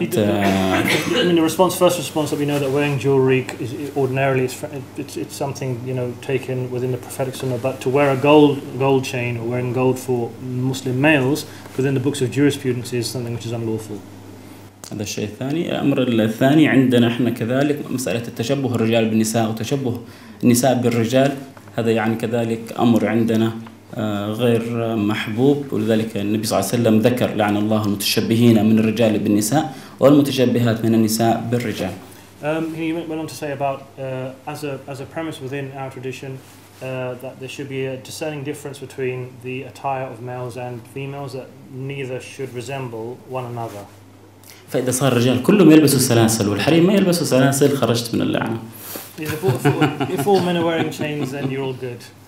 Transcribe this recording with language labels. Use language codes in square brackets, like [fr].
[en] I mean the response first response that we know that wearing jewelry is ordinarily it's something you know taken within the prophetic sunnah but to wear a gold chain or wearing gold for Muslim males within the books of jurisprudence is something which is unlawful [ar] هذا الشيء الثاني الأمر الثاني عندنا إحنا كذلك مسألة التشبه الرجال بالنساء وتشبه النساء بالرجال هذا يعني كذلك أمر عندنا غير محبوب ولذلك النبي صلى الله عليه وسلم ذكر لعن الله المتشبهين من الرجال بالنساء والمتشبهات من النساء بالرجال. [en] He went on to say about as a premise within our tradition that there should be a discerning difference between the attire of males and females that neither should resemble one another. [ar] فإذا صار الرجال كلهم يلبسوا سلاسل والحريم ما يلبسوا سلاسل خرجت من اللعنة. [en] If all men are wearing chains, then you're all good.